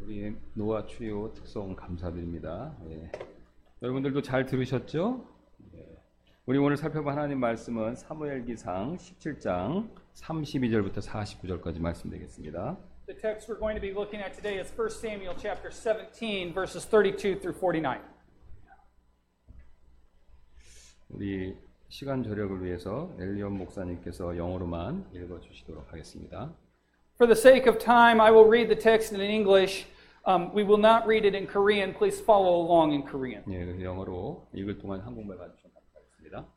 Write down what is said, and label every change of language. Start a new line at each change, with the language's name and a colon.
Korean: 우리 노아 트리오 특송 감사드립니다. 예. 여러분들도 잘 들으셨죠? 우리 오늘 살펴볼 하나님 말씀은 사무엘기상 17장 32절부터 49절까지 말씀드리겠습니다.
English: The text we're going to be looking at today is 1 Samuel chapter 17 verses 32-49.
Korean: 우리 시간 절약을 위해서 엘리온 목사님께서 영어로만 읽어 주시도록 하겠습니다.
English: For the sake of time, I will read the text in English. We will not read it in Korean. Please follow along in Korean.
Korean: 예, 영어로 읽을 동안 한국말 봐 주시면